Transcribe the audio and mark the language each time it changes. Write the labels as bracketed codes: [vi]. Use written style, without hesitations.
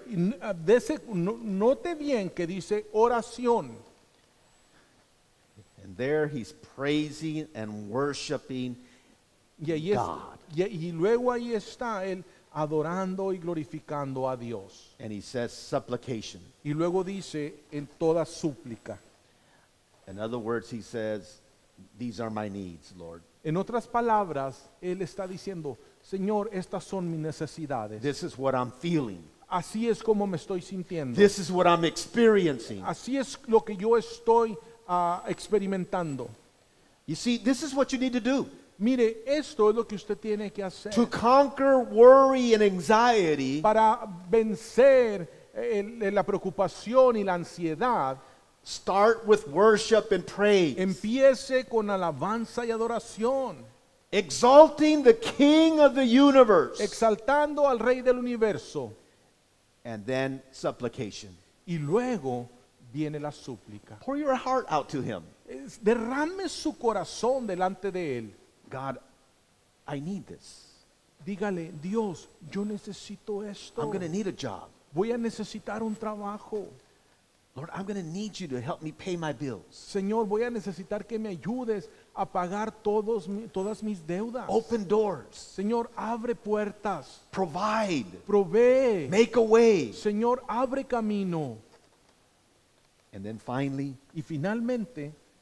[es] Note bien que dice oración. [en] And there he's praising and worshiping God. [es] Y luego ahí está él adorando y glorificando a Dios. [en] And he says supplication. [es] Y luego dice en toda súplica. [en] In other words, he says, these are my needs, Lord. [es] En otras palabras, él está diciendo, Señor, estas son mis necesidades. [en] This is what I'm feeling. [es] Así es como me estoy sintiendo. [en] This is what I'm experiencing. [es] Así es lo que yo estoy experimentando. [en] You see, this is what you need to do. [es] Mire, esto es lo que usted tiene que hacer. [en] To conquer worry and anxiety. [es] Para vencer la preocupación y la ansiedad. [en] Start with worship and praise. [es] Empiece con alabanza y adoración. [en] Exalting the King of the universe. [es] Exaltando al Rey del universo. [en] And then supplication. [es] Y luego viene la súplica. [en] Pour your heart out to him. [es] Derrame su corazón delante de él. [en] God, I need this. [es] Dígale, Dios, yo necesito esto. [en] I'm going to need a job. [es] Voy a necesitar un trabajo. [en] Lord, I'm going to need you to help me pay my bills. [es] Señor, voy a necesitar que me ayudes a pagar todas mis deudas. [en] Open doors. [es] Señor, abre puertas. [en] Provide. [es] Provee. [en] Make a way. [es] Señor, abre camino. [en] And then finally, [es] y finalmente,